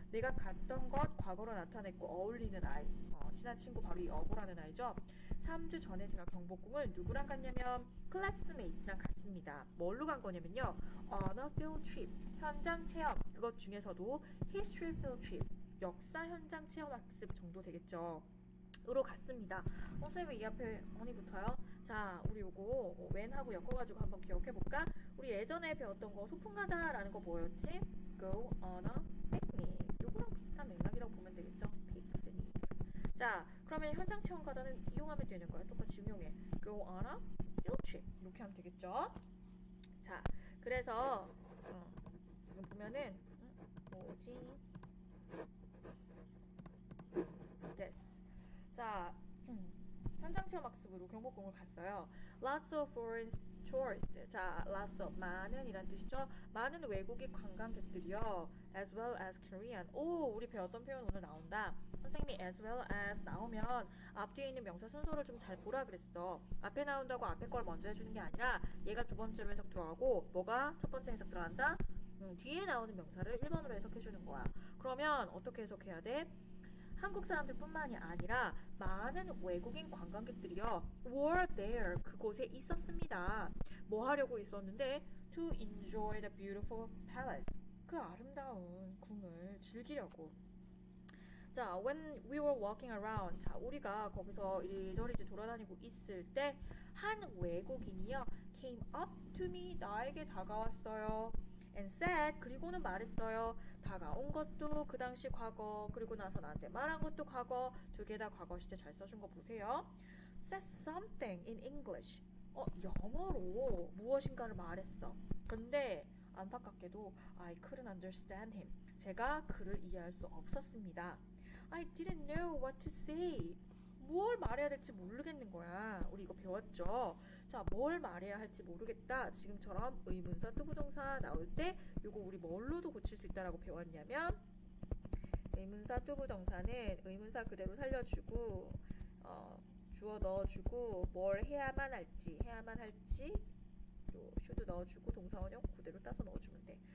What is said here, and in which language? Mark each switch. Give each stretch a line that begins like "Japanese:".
Korean: 내가 갔던 것 과거로 나타냈고 어울리는 아이. 친한 친구 바로 이 어부라는 아이죠. 3주 전에 제가 경복궁을 누구랑 갔냐면 클래스메이트랑 갔습니다. 뭘로 간 거냐면요.
English: On a field trip.
Korean: 현장 체험. 그것 중에서도
English: history field trip.
Korean: 역사 현장 체험 학습 정도 되겠죠. 으로 갔습니다. 선생님 이 앞에 언니 붙어요. 자, 우리 요거 when하고 엮어가지고 한번 기억해볼까? 우리 예전에 배웠던 거 소풍 가다라는 거 뭐였지?
English: Go on a picnic.
Korean: 요거랑 비슷한 맥락이라고 보면 되겠죠?
English: Picnic.
Korean: 자, 그러면 현장 체험 가다는 이용하면 되는 거야. 똑같이 응용해.
English: Go on a field trip.
Korean: 이렇게 하면 되겠죠? 자, 그래서 지금 보면은 뭐지?
English: This.
Korean: 자, 현장 체험 학습으로 경복궁을 갔어요.
English: Lots of foreign tourists.
Korean: 자, lots of 많은 이란 뜻이죠. 많은 외국인 관광객들이요.
English: As well as Korean.
Korean: 오, 우리 배웠던 표현 오늘 나온다. 선생님이 as well as 나오면 앞뒤에 있는 명사 순서를 좀잘 보라 그랬어. 앞에 나온다고 앞에 걸 먼저 해주는 게 아니라 얘가 두 번째로 해석 들어가고 뭐가 첫 번째 해석 들어간다? 뒤에 나오는 명사를 1번으로 해석해주는 거야. 그러면 어떻게 해석해야 돼? 한국 사람들뿐만이 아니라 많은 외국인 관광객들이요.
English: were there.
Korean: 그곳에 있었습니다. 뭐 하려고 있었는데?
English: to enjoy the beautiful palace.
Korean: 그 아름다운 궁을 즐기려고. 자,
English: when we were walking around,
Korean: 자, 우리가 거기서 이리저리 돌아다니고 있을 때, 한 외국인이요,
English: came up to me,
Korean: 나에게 다가왔어요.
English: And said,
Korean: 그리고는 말했어요. 다가온 것도 그 당시 과거, 그리고 나서 나한테 말한 것도 과거, 두개다 과거 시제 잘 써준 거 보세요.
English: Said something in English.
Korean: 영어로 무엇인가를 말했어. 근데 안타깝게도
English: I couldn't understand him.
Korean: 제가 그를 이해할 수 없었습니다.
English: I didn't know what to say.
Korean: 뭘 말해야 될지 모르겠는 거야. 우리 이거 배웠죠? 자, 뭘 말해야 할지 모르겠다. 지금처럼 의문사 또 부정사 나올 때 이거 우리 뭘로도 고칠 수 있다라고 배웠냐면 의문사 또 부정사는 의문사 그대로 살려주고 주어 넣어주고 뭘 해야만 할지 또 should 넣어주고 동사원형 그대로 따서 넣어주면 돼.